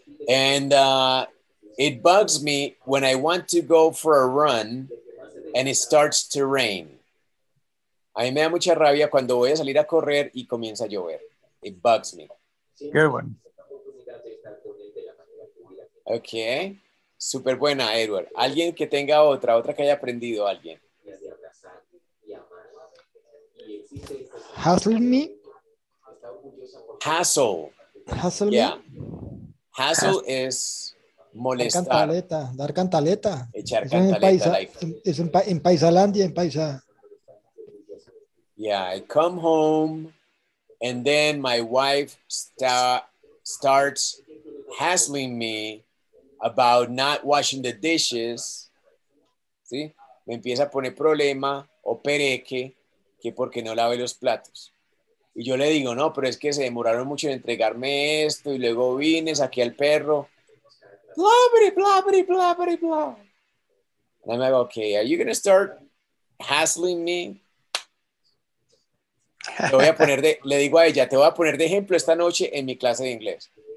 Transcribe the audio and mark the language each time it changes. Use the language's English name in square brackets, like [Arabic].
[English] And it bugs me when I want to go for a run and it starts to rain. [Spanish] A mí me da mucha rabia cuando voy a salir a correr y comienza a llover. [English] It bugs me. Good one. [Spanish] Okay. Super buena, Edward. Alguien que tenga otra que haya aprendido, alguien. [English] Hustle me. [Spanish] Hassle. Yeah. Hassle es molestar. Dar cantaleta. Echar es cantaleta. En Paisalandia, en Paisa. [English] Yeah, I come home and then my wife starts hassling me about not washing the dishes. [Spanish] ¿Sí? Me empieza a poner problema o pereque que porque no lave los platos. Y yo le digo, no, pero es que se demoraron mucho en entregarme esto y luego vine, saqué al perro. Blabri, blabri, blabri, blab. [English] And I'm like, okay, are you going to start hassling me? [Spanish] Te voy a poner le digo a ella, te voy a poner de ejemplo esta noche en mi clase de inglés.